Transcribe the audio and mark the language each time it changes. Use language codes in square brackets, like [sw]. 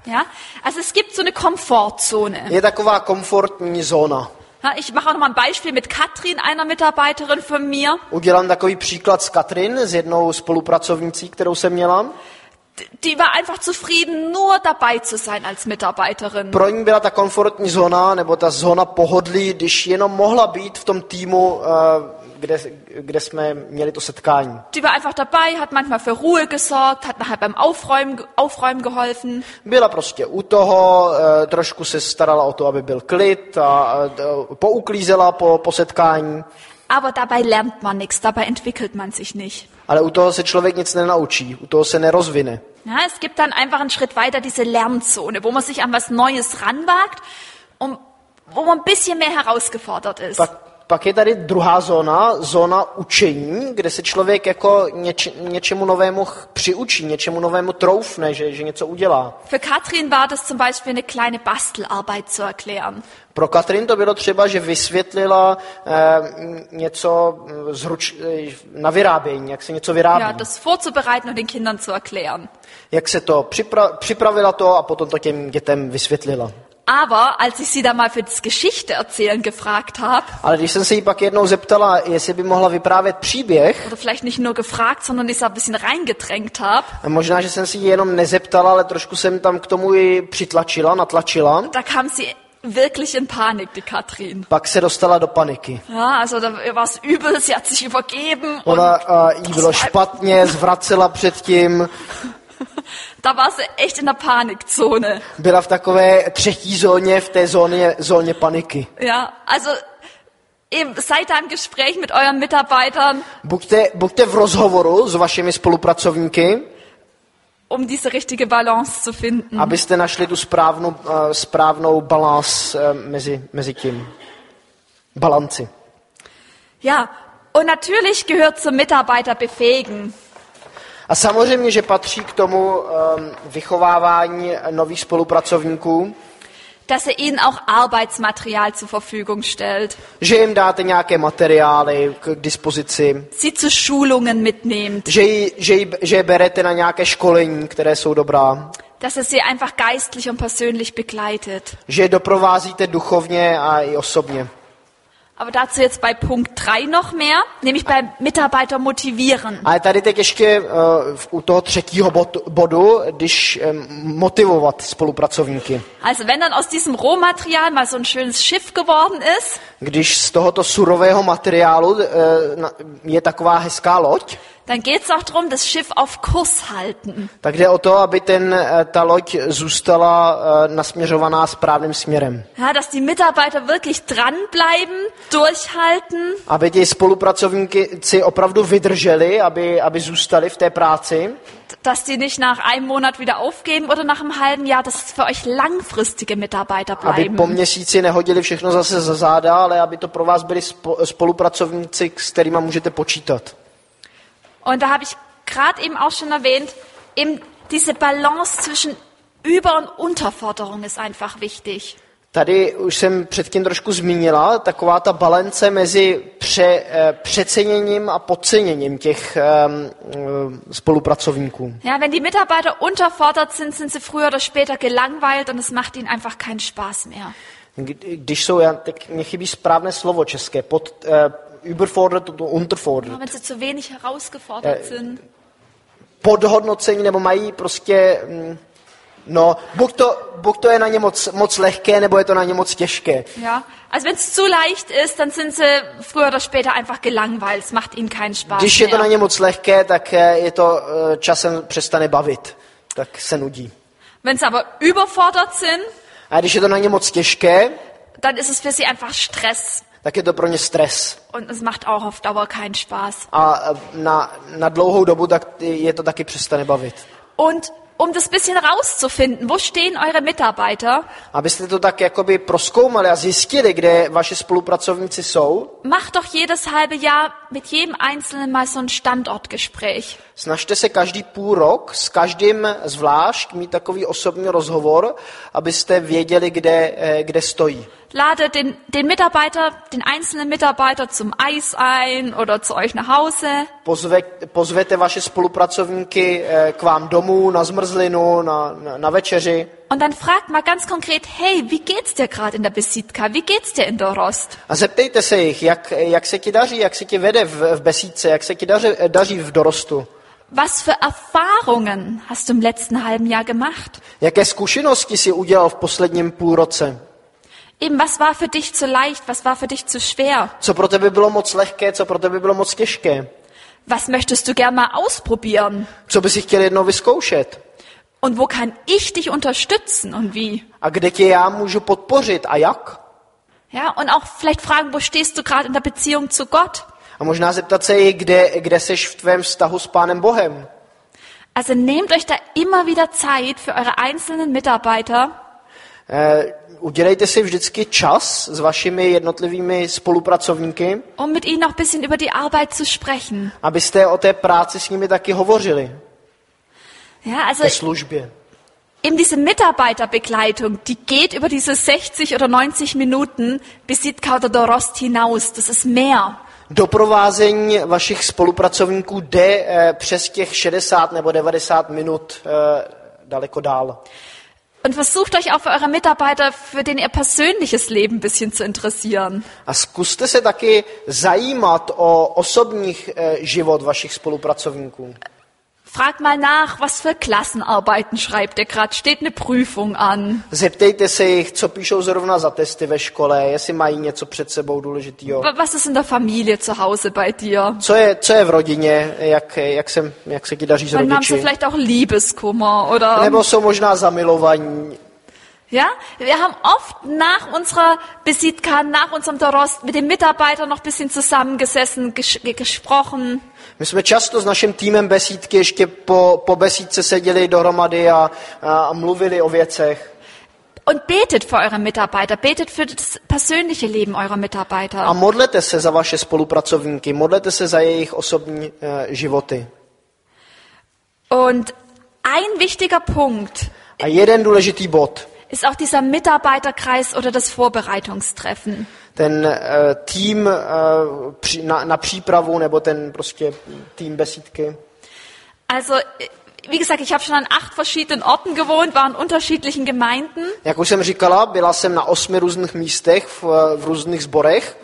[de] Ja, also es gibt so eine Komfortzone. [cs] Je taková komfortní zóna. [de] Ja, ich mache noch mal ein Beispiel mit Katrin, einer Mitarbeiterin von mir. [cs] Udělám takový příklad s Katrin, s jednou spolupracovnicí, kterou jsem měla. [de] Die war einfach zufrieden, nur dabei zu sein als Mitarbeiterin. [cs] Pro ní byla ta komfortní zóna, nebo ta zóna pohodlí, když jenom mohla být v tom týmu, kde jsme měli to setkání. [de] Die war einfach dabei, hat manchmal für Ruhe gesorgt, hat nachher beim Aufräumen geholfen. [cs] Byla prostě u toho, trošku se starala o to, aby byl klid a pouklízela po setkání. [de] Aber dabei lernt man nichts, dabei entwickelt man sich nicht. [cs] Ale u toho se člověk nic nenaučí, u toho se nerozvine. [de] Ja, es gibt dann einfach einen Schritt weiter, diese Lernzone, wo man sich an was Neues ranwagt und wo man ein bisschen mehr herausgefordert ist. [cs] Pak je tady druhá zóna, zóna učení, kde se člověk jako něčemu novému přiučí, něčemu novému troufne, že něco udělá. [de] Für Katrin war das zum Beispiel eine kleine Bastelarbeit zu erklären. [cs] Pro Katrin to bylo třeba, že vysvětlila něco na vyrábění, jak se něco vyrábí. [de] Ja, das vorzubereiten und den Kindern zu erklären. [cs] Jak se to připravila to a potom to těm dětem vysvětlila. [de] Aber als ich sie da mal für das Geschichte erzählen gefragt habe. [cs] Ale když jsem se jí pak jednou zeptala, jestli by mohla vyprávět příběh. [de] Oder vielleicht nicht nur gefragt, sondern ich sie ein bisschen reingedrängt habe. [cs] Možná, že jsem si ji jenom nezeptala, ale trošku jsem tam k tomu ji přitlačila, natlačila. [de] Da kam sie wirklich in Panik, die Katrin. [cs] Pak se dostala do paniky. [de] Ja, also da war es übel, sie hat sich übergeben. [cs] Ona jí bylo špatně, zvracela předtím. [de] Da war sie echt in der Panikzone. [cs] Byla v takové třetí zóně, v té zóně paniky. [de] Ja, also seid da im Gespräch mit euren Mitarbeitern. [cs] Buďte v rozhovoru s vašimi spolupracovníky. [de] Um diese richtige Balance zu finden. [cs] Abyste našli tu správnou balance mezi tím. Balanci. [de] Ja, und natürlich gehört zum Mitarbeiter befähigen. [cs] A samozřejmě, že patří k tomu vychovávání nových spolupracovníků. [de] Dass er ihnen auch Arbeitsmaterial zur Verfügung stellt. [cs] Že jim dáte nějaké materiály k dispozici. [de] Sie zu Schulungen mitnehmt. [cs] Že berete na nějaké školení, které jsou dobrá. [de] Dass er sie einfach geistlich und persönlich begleitet. [cs] Že je doprovázíte duchovně a i osobně. [de] Aber dazu jetzt bei Punkt 3 noch mehr, nämlich bei Mitarbeiter motivieren. [cs] Ale tady teď ještě u toho třetího bodu, když motivovat spolupracovníky. [de] Also wenn dann aus diesem Rohmaterial mal so ein schönes Schiff geworden ist, [cs] když z tohoto surového materiálu je taková hezká loď, [de] dann geht's auch drum, das Schiff auf Kurs halten. [cs] Tak jde o to, aby ta loď zůstala nasměřovaná správným směrem. [de] Ja, dass die Mitarbeiter wirklich dran bleiben, durchhalten. [cs] Aby ti spolupracovníci opravdu vydrželi, aby zůstali v té práci. [de] Dass die nicht nach einem Monat wieder aufgeben oder nach einem halben Jahr, dass es für euch langfristige Mitarbeiter bleiben. [cs] Aby po měsíci nehodili všechno zase za záda, ale aby to pro vás byli spolupracovníci, s kterýma můžete počítat. [de] Und da habe ich gerade eben auch schon erwähnt, eben diese Balance zwischen Über- und Unterforderung ist einfach wichtig. [cs] Tady už jsem předtím trošku zmínila, taková ta balance mezi přeceněním a podceněním těch spolupracovníků. [de] Ja, wenn die Mitarbeiter unterfordert sind, sind sie früher oder später gelangweilt und es macht ihnen einfach keinen Spaß mehr. [cs] Když jsou, tak mě chybí správné slovo české, [de] überfordert und unterfordert. Wenn sie zu wenig herausgefordert sind. [cs] Podhodnocení, nebo mají prostě, no, buď to je na ně moc lehké, nebo je to na ně moc těžké. [de] Ja, also wenn es zu leicht ist, dann sind sie früher oder später einfach gelangweilt, es macht ihnen keinen Spaß. [cs] Když je to na ně moc lehké, tak je to časem přestane bavit, tak se nudí. [de] Wenn sie aber überfordert sind, [cs] a když je to na ně moc těžké, [de] dann ist es für sie einfach Stress. [cs] Tak je to pro ně stres. [de] Und es macht auch auf Dauer keinen Spaß. [cs] A na dlouhou dobu tak je to taky přestane bavit. [de] Und um das bisschen rauszufinden, wo stehen eure Mitarbeiter? [cs] Abyste to tak jakoby prozkoumali a zjistili, kde vaše spolupracovníci jsou. [de] Mach doch jedes halbe Jahr mit jedem einzelnen mal so ein Standortgespräch. [cs] Snažte se každý půl rok s každým zvlášť mít takový osobní rozhovor, abyste věděli, kde stojí. [de] Lade den Mitarbeiter, den einzelnen Mitarbeiter zum Eis ein oder zu euch nach Hause. [cs] Pozvete vaše spolupracovníky k vám domů na zmrzlinu, na večeři. [de] Und dann fragt mal ganz konkret, hey, wie geht's dir gerade in der Besídka? Wie geht's dir in Dorost? [cs] A zeptejte se jich, jak se ti daří, jak se ti vede v Besídce, jak se ti daří v Dorostu. [de] Was für Erfahrungen hast du im letzten halben Jahr gemacht? [cs] Jaké zkušenosti jsi udělal v posledním půl roce? [de] Eben, was war für dich zu leicht, was war für dich zu schwer? [cs] Co pro tebe bylo moc lehké, co pro tebe bylo moc těžké? [de] Was möchtest du gerne mal ausprobieren? [cs] Co bys chtěl jednou vyzkoušet? [de] Und wo kann ich dich unterstützen und wie? [cs] A kde tě já můžu podpořit a jak? [de] Ja, und auch vielleicht fragen, wo stehst du gerade in der Beziehung zu Gott? [cs] A možná zeptat se i, kde seš v tvém vztahu s Pánem Bohem. [de] Also nehmt euch da immer wieder Zeit für eure einzelnen Mitarbeiter. [cs] Udělejte si vždycky čas s vašimi jednotlivými spolupracovníky. [de] Um mit ihnen noch ein bisschen über die Arbeit zu sprechen. [cs] Abyste o té práci s nimi taky hovořili. [de] Ja, also [cs] o službě. [de] Eben diese Mitarbeiterbegleitung, die geht über diese 60 oder 90 Minuten bis sieht Kauter der Rost hinaus, das ist mehr. [cs] Doprovázení vašich spolupracovníků jde přes těch 60 nebo 90 minut daleko dál. [de] Und versucht euch auch für eure Mitarbeiter, für den ihr persönliches Leben ein bisschen zu interessieren. [cs] A zkuste se taky zajímat o osobní život vašich spolupracovníků. [de] Frag mal nach, was für Klassenarbeiten schreibt ihr gerade? Steht eine Prüfung an? [cs] Zeptejte se jich, co píšou zrovna za testy ve škole, jestli mají něco před sebou důležitýho. [de] Was ist in der Familie zu Hause bei dir? [cs] Co je v rodině, jak se ti daří s rodiči? Mám se [de] vielleicht auch Liebeskummer, oder? [cs] Nebo jsou možná zamilovaní. [de] Ja, wir haben oft nach unserer Besitka, nach unserem Dorost mit den Mitarbeitern noch ein bisschen zusammengesessen, gesprochen. [cs] My jsme často s naším týmem besídky ještě po besídce seděli dohromady a mluvili o věcech. [de] Und betet für eure Mitarbeiter, betet für das persönliche Leben eurer Mitarbeiter. [cs] A modlete se za vaše spolupracovníky, modlete se za jejich osobní životy. [de] Und ein wichtiger Punkt. [cs] A jeden důležitý bod. [de] Ist auch dieser Mitarbeiterkreis oder das Vorbereitungstreffen. [cs] Ten tým na přípravu nebo ten prostě tým besídky. [de] Also, wie gesagt, ich habe schon an 8 verschiedenen Orten gewohnt, war in unterschiedlichen Gemeinden. [cs] Jak už jsem říkala, byla jsem na 8 různých místech v různých sborech.